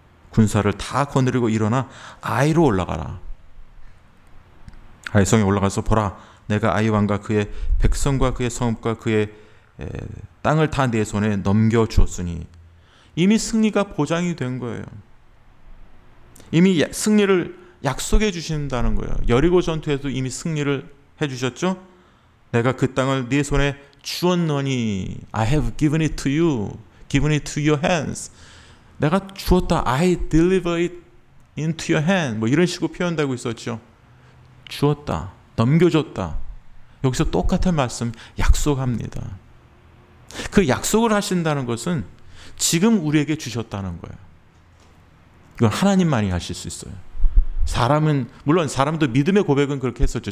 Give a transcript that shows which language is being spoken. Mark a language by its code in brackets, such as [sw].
[ko] 군사를 다 거느리고 일어나 아이로 올라가라. 아이 성에 올라가서 보라, 내가 아이 왕과 그의 백성과 그의 성읍과 그의 땅을 다 내 손에 넘겨주었으니, 이미 승리가 보장이 된 거예요. 이미 승리를 약속해 주신다는 거예요. 여리고 전투에서도 이미 승리를 해주셨죠. 내가 그 땅을 네 손에 주었노니, [en] I have given it to you, given it to your hands. [ko] 내가 주었다, [en] I deliver it into your hand. [ko] 뭐 이런 식으로 표현되고 있었죠. 주었다, 넘겨줬다. 여기서 똑같은 말씀, 약속합니다. 그 약속을 하신다는 것은 지금 우리에게 주셨다는 거예요. 이건 하나님만이 하실 수 있어요. 사람은 물론 사람도 믿음의 고백은 그렇게 했었죠.